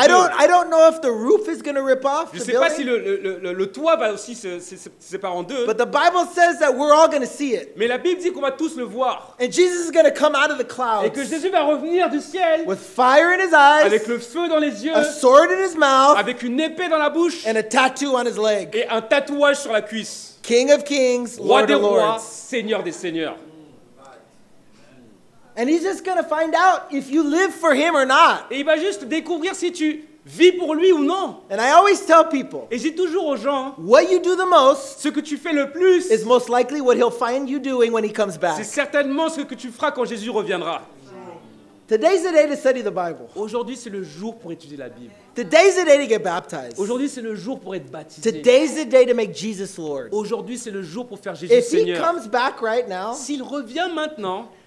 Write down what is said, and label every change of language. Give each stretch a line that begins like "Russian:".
English: I don't know if the roof is going to rip off.
French: Je sais pas si le toit va aussi se séparer en deux.
English: But the Bible says that we're all going to see it.
French: Mais la Bible dit qu'on va tous le voir.
English: And Jesus is going to come out of the clouds.
French: Et que Jésus va revenir du ciel.
English: With fire in his eyes.
French: Avec le feu dans les yeux.
English: A sword in his mouth.
French: Avec une épée dans la bouche.
English: And a tattoo on his leg.
French: Et un tatouage sur la cuisse.
English: King of kings,
French: roi
English: Lord
French: des
English: of
French: rois,
English: lords.
French: Seigneur des seigneurs.
English: And he's just going to find out if you live for him or not.
French: Et il va juste découvrir si tu vis pour lui ou non.
English: And I always tell people.
French: Et j'ai toujours aux gens.
English: What you do the most.
French: Ce que tu fais le plus.
English: Is most likely what he'll find you doing when he comes back.
French: C'est certainement ce que tu feras quand Jésus reviendra.
English: Today's the day to study the Bible.
French: Aujourd'hui c'est le jour pour étudier la Bible.
English: Today's the day to get baptized.
French: Aujourd'hui c'est le jour pour être baptisé.
English: Today's the day to make Jesus Lord.
French: Aujourd'hui c'est le jour pour faire Jésus Seigneur.
English: If he comes back right now.
French: S'il revient maintenant.